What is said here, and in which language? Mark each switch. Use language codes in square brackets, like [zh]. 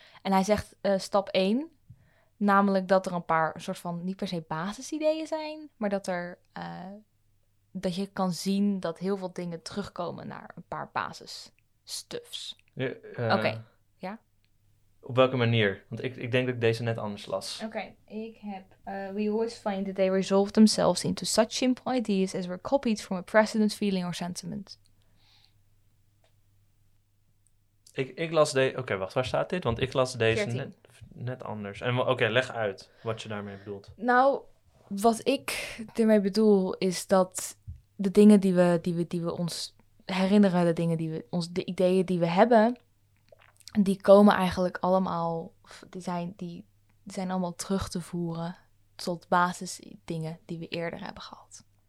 [nl] En hij zegt stap 1, namelijk dat er een paar soort van niet per se basisideeën zijn, maar dat er dat je kan zien dat heel veel dingen terugkomen naar een paar basisstuffs. Oké, ja? Op welke manier? Want ik denk dat ik deze net anders las. [en] We always find that they resolve themselves into such simple ideas as were copied from a precedent feeling or sentiment. [nl] Ik las deze... Oké, wacht, waar staat dit? Want ik las deze net anders. En leg uit wat je daarmee bedoelt. Nou, wat ik ermee bedoel is dat de dingen die we ons herinneren, de dingen die we ons, de ideeën die we hebben, die komen eigenlijk allemaal, die zijn allemaal terug te voeren tot basisdingen die we eerder hebben gehad.